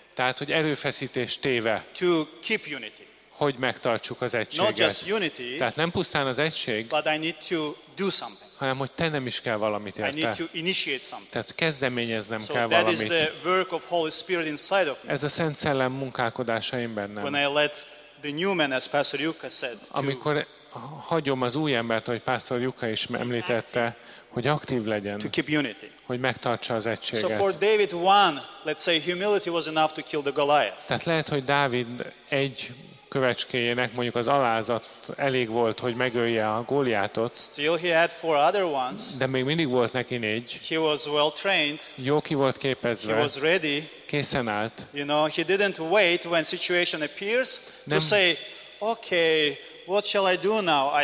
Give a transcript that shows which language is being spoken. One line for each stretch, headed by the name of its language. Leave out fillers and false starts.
Hungarian: tehát, hogy erőfeszítést téve,
English: to keep unity,
Hungarian: hogy megtartsuk az egységet.
English: Not just unity,
Hungarian: tehát nem pusztán az egység,
English: but I need to do something.
Hungarian: Hanem, hogy tennem is kell valamit érte.
English: I need to initiate something.
Hungarian: Tehát kezdeményeznem
English: so
Hungarian: kell
English: that
Hungarian: valamit.
English: Is the work of Holy Spirit inside of me.
Hungarian: Ez a Szent Szellem munkálkodása én bennem.
English: When I let the new man, as Pastor Juka said,
Hungarian: amikor hagyom az új embert, ahogy Pastor Juka is említette, hogy aktív legyen,
English: to keep unity,
Hungarian: hogy megtartsa az egységet.
English: So for David one, let's say humility was enough to kill the Goliath.
Hungarian: Tehát lehet, hogy Dávid egy kövecskéjének, mondjuk az alázat elég volt, hogy megölje a Góliátot.
English: Still he had four other ones.
Hungarian: De még mindig volt neki négy.
English: He was well trained.
Hungarian: Jó ki volt képezve.
English: He was ready.
Hungarian: Készen állt.
English: You know, he didn't wait when situation appears to say, okay, what shall I do now?